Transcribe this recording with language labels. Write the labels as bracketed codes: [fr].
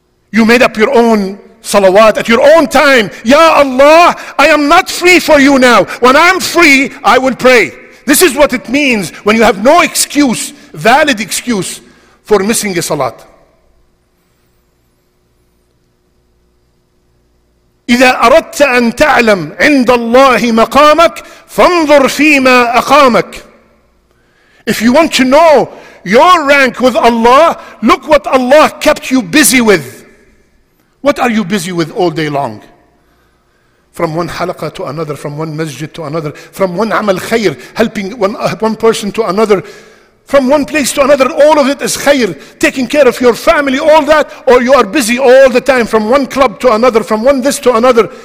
[en] You made up your own salawat at your own time. Ya Allah, I am not free for you now. When I'm free, I will pray. This is what it means when you have no excuse, valid excuse, for missing a salat. [ar] إذا أردت أن تعلم عند الله مقامك فانظر فيما أقامك. [en] If you want to know your rank with Allah, look what Allah kept you busy with. What are you busy with all day long? From one halaqah to another, from one masjid to another, from one amal khayr, helping one person to another, from one place to another, all of it is khayr, taking care of your family, all that, or you are busy all the time, from one club to another, from one this to another.